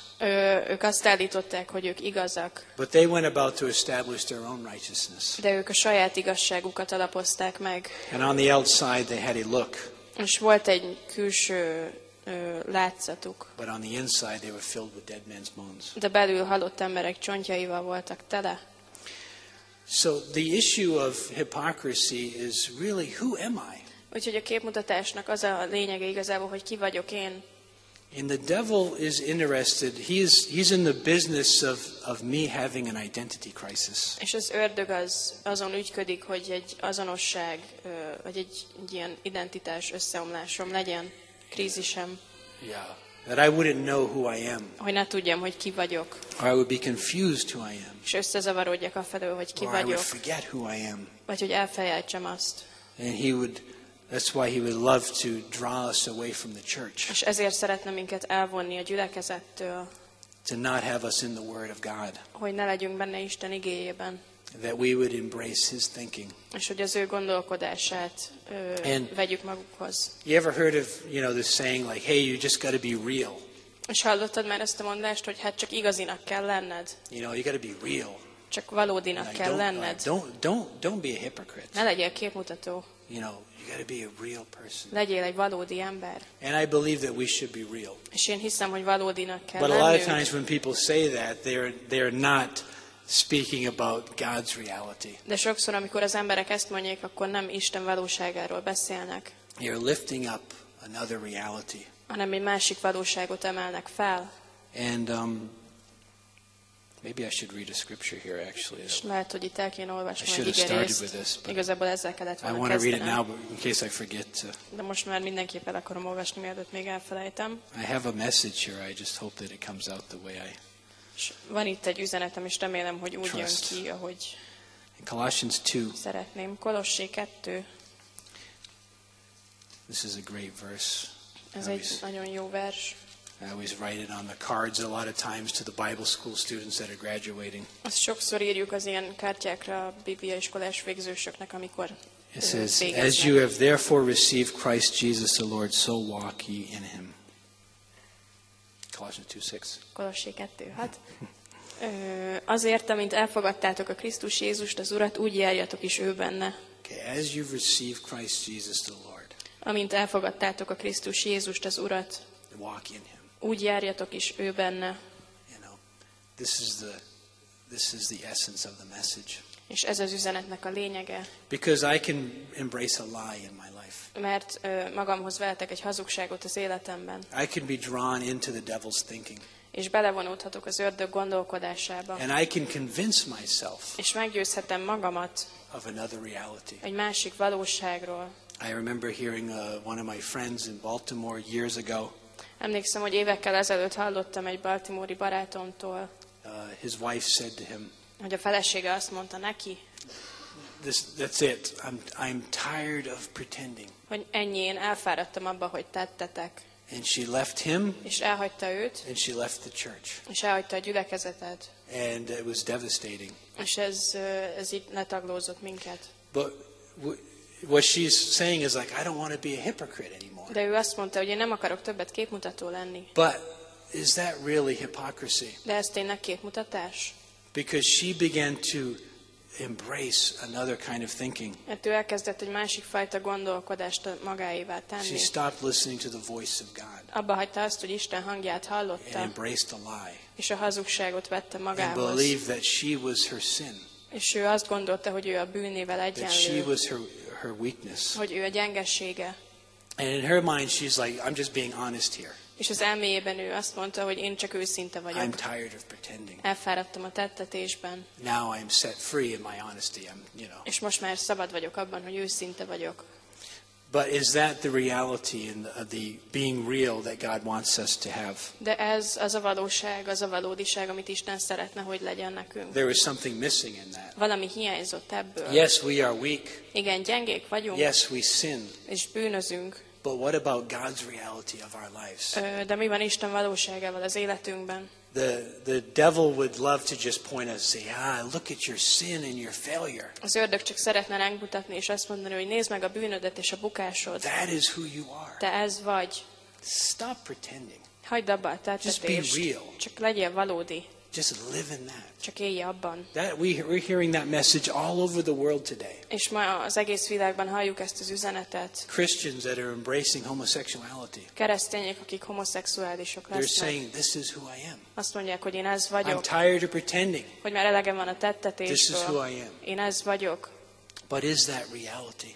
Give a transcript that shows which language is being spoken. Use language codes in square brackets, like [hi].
[hu] Ők azt állították, hogy ők igazak. [en] But they went about to establish their own righteousness. [hu] De ők a saját igazságukat alapozták meg. [en] And on the outside they had a look. [hu] És volt egy külső látszatuk. [en] But on the inside they were filled with dead men's bones. [hu] De belül halott emberek csontjaival voltak tele. [en] So the issue of hypocrisy is really who am I? [hu] Úgyhogy a képmutatásnak az a lényege igazából, hogy ki vagyok én. [en] And the devil is interested. He's in the business of me having an identity crisis. [hu] És az ördög az azon ügyködik, hogy egy azonosság vagy egy ilyen identitás összeomlásom legyen, krízisem. [en] Yeah. That I wouldn't know who I am. [hu] Hogy ne tudjam, hogy ki vagyok. [en] Or I would be confused who I am. [hu] És összezavarodjak a felől, hogy ki vagyok. [en] Or I would forget who I am. [hu] Vagy hogy elfelejtsem azt. [en] And he would. That's why he would love to draw us away from the church. [hu] És ezért szeretne minket elvonni a gyülekezettől. [en] To not have us in the Word of God. [hu] Hogy ne legyünk benne Isten igéjében. [en] That we would embrace his thinking. [hu] És hogy az ő gondolkodását vegyük magukhoz. [en] You ever heard of, you know, this saying like, hey, you just got to be real. [hu] És hallottad már ezt a mondást, hogy hát csak igazinak kell lenned. [en] You know, you got to be real. [hu] Csak valódinak like, kell lenned. [en] Don't be a hypocrite. [hu] Ne legyél képmutató. [en] You know, you got to be a real person. [hu] Legyél egy valódi ember. [en] And I believe that we should be real. [hu] És én hiszem, hogy valódinak kell [en] But [hu] lennünk. [en] A lot of times when people say that, they're not speaking about God's reality. [hu] De sokszor, amikor az emberek ezt mondják, akkor nem Isten valóságáról beszélnek. [en] You're lifting up another reality. [hu] Hanem egy másik valóságot emelnek fel. [en] And maybe I should read a scripture here actually. [hu] Lehet, hogy itt el kéne olvasni egy igerészt. [en] I should have started with this, but [hu] igazából ezzel kellett volna [en] I want to read it now, but in case I forget. [hu] De most már mindenképp el akarom olvasni, mielőtt még elfelejtem. [en] I have a message here. I just hope that it comes out the way I. [hu] Van itt egy üzenetem, és remélem, hogy úgy [en] trust. [hu] Jön ki, ahogy [en] in Colossians 2. [hu] Szeretném. Kolossé 2. [en] This is a great verse. [hu] Ez egy nagyon jó vers. [en] I always write it on the cards a lot of times to the Bible school students that are graduating. [hu] Azt sokszor írjuk az ilyen kártyákra a Biblia iskolás végzősöknek, amikor [en] It says, [hu] végeznek. [en] As you have therefore received Christ Jesus the Lord, so walk ye in him. [hu] Kolossé 2:6. Azért, amint elfogadtátok a Krisztus Jézust, az Urat, úgy járjatok is ő benne. [en] Okay, as you receive Christ Jesus the Lord. [hu] Amint elfogadtátok a Krisztus Jézust, az Urat, [en] walk in him. [hu] Úgy járjatok is ő benne. [en] You know, this is the essence of the message. [hu] És ez az üzenetnek a lényege. [en] Because I can embrace a lie in my life. [hu] Mert magamhoz vehetek egy hazugságot az életemben. [en] I can be drawn into the devil's thinking. [hu] És belevonódhatok az ördög gondolkodásába. [en] And I can convince myself. [hu] És meggyőzhetem magamat. [en] Of another reality. [hu] Egy másik valóságról. [en] I remember hearing one of my friends in Baltimore years ago. [hu] Emlékszem, hogy évekkel ezelőtt hallottam egy baltimori barátomtól. [en] His wife said to him. [hu] Hogy a felesége azt mondta neki. [en] That's it. I'm tired of pretending. [hu] Hogy ennyi, én elfáradtam abba, hogy tettetek. [en] And she left him. [hu] És elhagyta őt. [en] And she left the church. [hu] És elhagyta a gyülekezetet. [en] And it was devastating. [hu] És ez így letaglózott minket. [en] But what she's saying is like, I don't want to be a hypocrite anymore. [hu] De ő azt mondta, hogy én nem akarok többet képmutató lenni. [en] But is that really hypocrisy? [hu] De ez tényleg képmutatás? [en] Because she began to embrace another kind of thinking. [hu] Mert ő elkezdett egy másik fajta gondolkodást magáévá tenni. [en] She stopped listening to the voice of God. [hu] Abba hagyta azt, hogy Isten hangját hallotta. [en] And embraced a lie. [hu] És a hazugságot vette magához. [en] And believed that she was her sin. [hu] És ő azt gondolta, hogy ő a bűnével egyenlő. [en] That she was her weakness. [hu] Hogy ő a gyengesége. [en] And in her mind she's like, I'm just being honest here. [hu] És az elméjében ő azt mondta, hogy én csak őszinte vagyok. [en] I'm tired of pretending. [hu] Elfáradtam a tettetésben. [en] Now I'm set free in my honesty. I'm, you know. [hu] És most már szabad vagyok abban, hogy őszinte vagyok. [en] But is that the reality in the being real that God wants us to have? [hu] De ez az a valóság, az a valódiság, amit Isten szeretne, hogy legyen nekünk. [en] There is something missing in that. [hu] Valami hiányzott ebből. [en] Yes, we are weak. [hu] Igen, gyengék vagyunk. [en] Yes, we sin. [hu] És bűnözünk. [en] But what about God's reality of our lives? [hu] De mi van Isten valóságával az életünkben? [en] The devil would love to just point us and say, ah, look at your sin and your failure. [hu] Az ördög csak szeretne ránk mutatni és azt mondani, hogy nézd meg a bűnödet és a bukásod. [en] That is who you are. [hu] Te ez vagy. [en] Stop pretending. [hu] Hagyd abba a tettetést. [en] Just be real. [hu] Csak legyél valódi. [en] Just live in that. [hu] Csak élj abban. [en] That we're hearing that message all over the world today. [hu] És ma az egész világban halljuk ezt az üzenetet. [en] Christians that are embracing homosexuality. [hu] Keresztények, akik homoszexuálisok lesznek. [en] They're saying this is who I am. [hu] Azt mondják, hogy én ez vagyok. [en] I'm tired of pretending. [hu] Hogy már elegem van a tettetésből. [en] This is who I am. [hu] Én ez vagyok. [en] But is that reality?